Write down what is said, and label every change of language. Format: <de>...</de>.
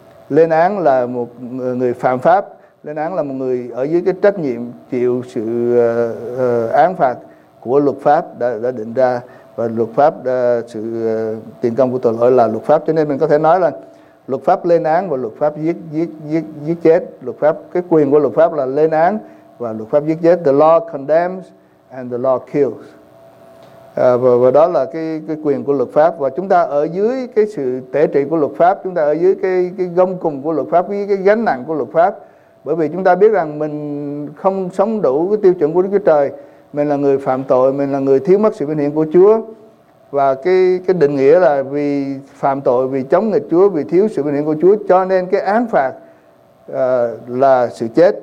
<vi>Lên án là một người phạm pháp, lên án là một người ở dưới cái trách nhiệm chịu sự án phạt của luật pháp đã định ra, và luật pháp sự tiền công của tội lỗi là luật pháp. Cho nên mình có thể nói là luật pháp lên án và luật pháp giết chết. Luật pháp, cái quyền của luật pháp là lên án và luật pháp giết chết.</vi> <en>The law condemns and the law kills.</en> <vi>Và đó là cái quyền của luật pháp. Và chúng ta ở dưới cái sự tể trị của luật pháp, chúng ta ở dưới cái gông cùng của luật pháp, với cái gánh nặng của luật pháp, bởi vì chúng ta biết rằng mình không sống đủ cái tiêu chuẩn của Đức Chúa Trời. Mình là người phạm tội, mình là người thiếu mất sự vinh hiển của Chúa. Và cái định nghĩa là vì phạm tội, vì chống nghịch Chúa, vì thiếu sự vinh hiển của Chúa, cho nên cái án phạt là sự chết.</vi>